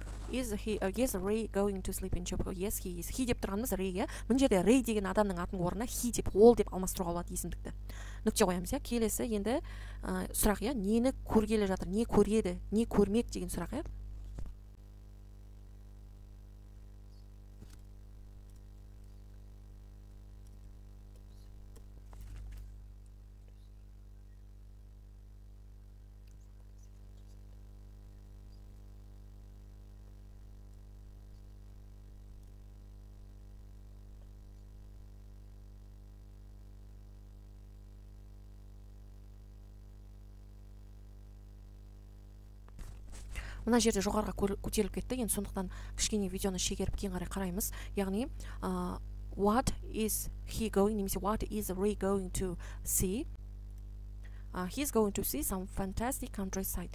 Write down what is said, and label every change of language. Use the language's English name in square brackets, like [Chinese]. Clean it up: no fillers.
[English] Is Ray going to sleep in Chicago? Yes, he is. He [Kazakh] деп тұрғанымыз [English] Ray, иә. [Kazakh] Мен жерде Ray деген адамның атын орнына he деп, ол деп алмастыруға болады есімдікті. Нүкте қоямыз, иә. Келесі енді сұрақ, иә. Нені көргелі жатыр? Не көреді? Не көрмек деген сұрақ, иә. Мына жерде жоғарыға көтеріліп кетті. Енді сондықтан кішкене видеоны шегеріп кейін қарай қараймыз. [English] Яғни, what is he going, немесе what is Ray going to see? He is going to see some fantastic countryside.